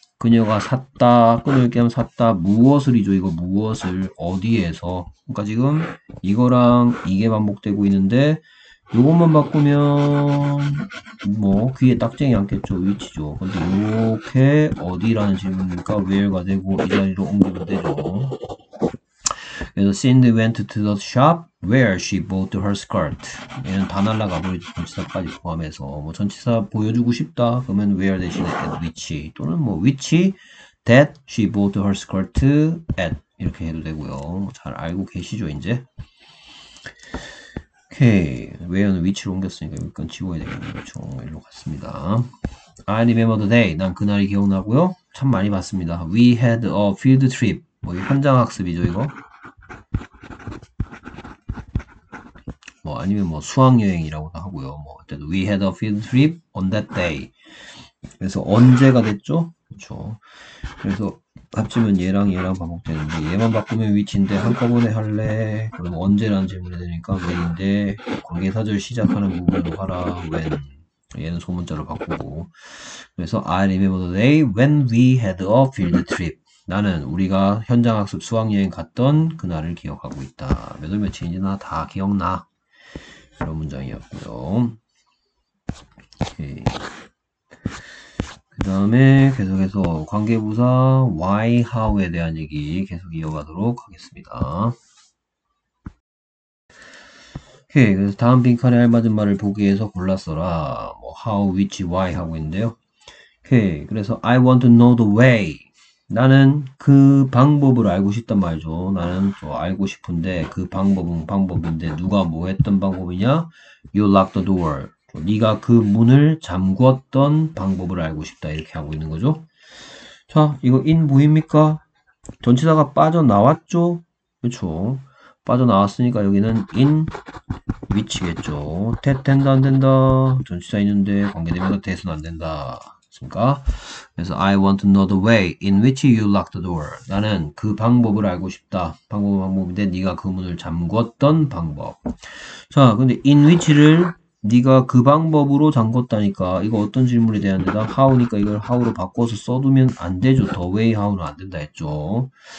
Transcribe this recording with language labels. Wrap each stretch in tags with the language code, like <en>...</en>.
<ko>그녀가 샀다, 끊을게 하면 샀다, 무엇을 이죠? 이거 무엇을, 어디에서. 그러니까 지금 이거랑 이게 반복되고 있는데, 요것만 바꾸면, 뭐, 귀에 딱쟁이 않겠죠? 위치죠. 근데 요렇게 어디라는 질문이니까 where가 되고 이 자리로 옮기면 되죠.</ko> <en>그래서 Cindy went to the shop where she bought her skirt.</en> <ko>얘는 다 날라가 버리죠. 전치사까지 포함해서. 뭐 전치사 보여주고 싶다? 그러면 where 대신에 at which.</ko> <en>또는 뭐 which that she bought her skirt at.</en> <ko>이렇게 해도 되고요. 잘 알고 계시죠, 이제? 오케이. where는 위치로 옮겼으니까 이건 지워야 되겠네요. 그렇죠. 이리로 갔습니다.</ko> <en>I remember the day.</en> <ko>난 그날이 기억나고요. 참 많이 봤습니다.</ko> <en>We had a field trip. 뭐,</en> <ko>현장학습이죠, 이거? 뭐, 아니면 뭐, 수학여행이라고도 하고요.</ko> <en>뭐, 어쨌든 we had a field trip on that day.</en> <ko>그래서 언제가 됐죠? 그렇죠. 그래서 합치면 얘랑 얘랑 반복되는데, 얘만 바꾸면 위치인데 한꺼번에 할래? 그럼 언제라는 질문이 되니까 when인데, 관계사절 시작하는 부분으로 가라. when. 얘는 소문자로 바꾸고.</ko> <en>그래서 I remember the day when we had a field trip.</en> <ko>나는 우리가 현장학습 수학여행 갔던 그날을 기억하고 있다. 몇월 며칠인지 나다 기억나. 이런 문장이었고요. 오케이. 그 다음에 계속해서 관계부사 why, how에 대한 얘기 계속 이어가도록 하겠습니다. 오케이. 그래서 다음 빈칸에 알맞은 말을 보기 위해서 골랐어라.</ko> <en>뭐 how, which, why</en> <ko>하고 있는데요. 오케이. 그래서</ko> <en>I want to know the way.</en> <ko>나는 그 방법을 알고 싶단 말이죠. 나는 또 알고 싶은데 그 방법은 방법인데 누가 뭐 했던 방법이냐?</ko> <en>You lock the door.</en> <ko>네가 그 문을 잠궜던 방법을 알고 싶다. 이렇게 하고 있는 거죠. 자, 이거 in 보입니까? 전치사가 빠져나왔죠? 그렇죠. 빠져나왔으니까 여기는 in which겠죠. 된다 안 된다. 전치사 있는데 관계대명사 대선 안 된다.</ko> <en>그니까 그래서 I want to know the way in which you lock the door.</en> <ko>나는 그 방법을 알고 싶다. 방법인데 네가 그 문을 잠궜던 방법. 자, 근데 in which를 네가 그 방법으로 잠궜다니까 이거 어떤 질문에 대한 대답? How니까 이걸 how로 바꿔서 써두면 안 되죠.</ko> <en>The way how</en> <ko>는 안 된다 했죠.</ko>